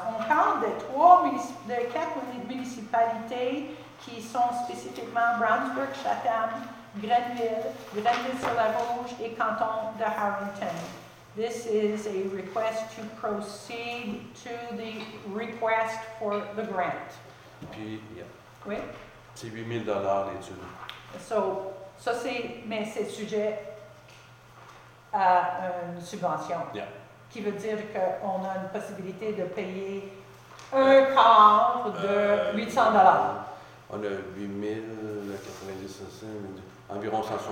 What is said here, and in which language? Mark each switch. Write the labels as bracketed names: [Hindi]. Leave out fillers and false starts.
[French] On parle de 4 municipalités qui sont spécifiquement Brownsburg, Chatham, Grenville, Grenville-sur-la-Rouge et canton de Harrington. [English] This is a request to proceed to the request for the grant. [French] Et puis, yeah. Oui? C'est 8 000 $ l'étude. So, ça c'est, mais c'est sujet à une subvention, yeah. Qui veut dire qu'on a une possibilité de payer un quart de 800 $. On a 8 090, environ $175.